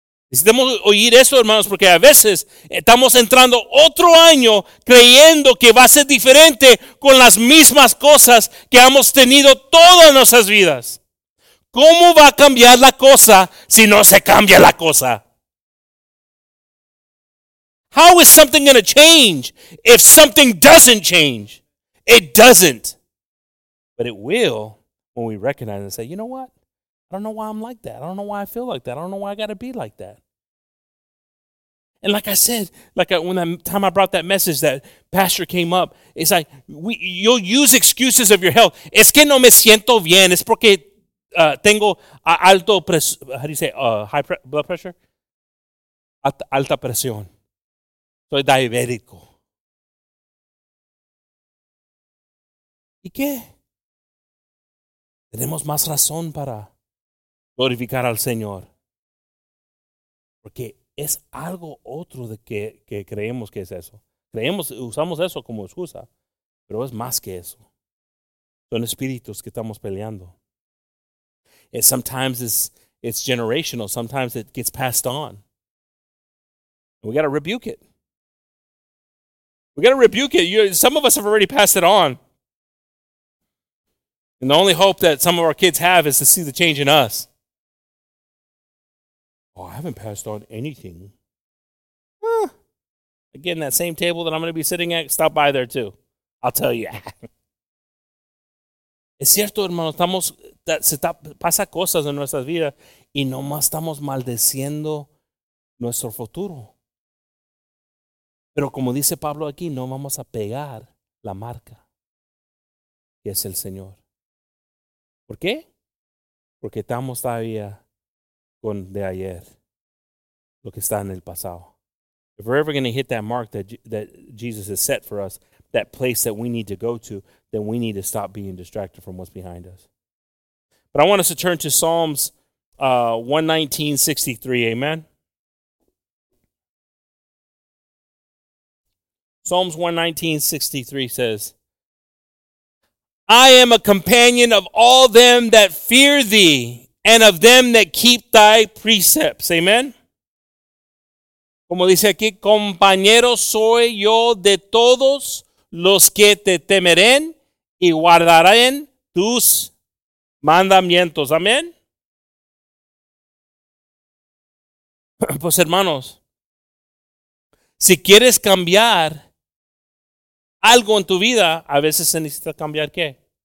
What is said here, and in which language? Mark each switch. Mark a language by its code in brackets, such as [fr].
[es] Necesitamos oír eso, hermanos, porque a veces estamos entrando otro año creyendo que va a ser diferente con las mismas cosas que hemos tenido todas nuestras vidas. ¿Cómo va a cambiar la cosa si no se cambia la cosa? [en] How is something going to change if something doesn't change? It doesn't. But it will when we recognize and say, you know what? I don't know why I'm like that. I don't know why I feel like that. I don't know why I got to be like that. And like I said, when that time I brought that message, that pastor came up, it's like, you'll use excuses of your health. [es] Es que no me siento bien. Es porque tengo alto, [en] high blood pressure? [es] Alta presión. Soy diabético. ¿Y qué? Tenemos más razón para glorificar al Señor. Porque es algo otro de que creemos que es eso. Creemos, usamos eso como excusa, pero es más que eso. Son espíritus que estamos peleando. [en] And sometimes it's generational. Sometimes it gets passed on. We got to rebuke it. We got to rebuke it. Some of us have already passed it on. And the only hope that some of our kids have is to see the change in us. Oh, I haven't passed on anything. Again, that same table that I'm going to be sitting at, stop by there too. I'll tell you. [es] Es cierto, hermano, estamos, se pasa cosas en nuestras vidas y nomás estamos maldeciendo nuestro futuro. Pero como dice Pablo aquí, no vamos a pegar la marca que es el Señor. ¿Por qué? Porque estamos todavía con de ayer, lo que está en el pasado. [en] If we're ever going to hit that mark that Jesus has set for us, that place that we need to go to, then we need to stop being distracted from what's behind us. But I want us to turn to Psalms 119:63, amen? Psalms 119:63 says, I am a companion of all them that fear thee and of them that keep thy precepts. Amen. [es] Como dice aquí, compañero soy yo de todos los que te temerán y guardarán tus mandamientos. Amén. Pues hermanos, si quieres cambiar algo en tu vida, a veces se necesita cambiar ¿qué?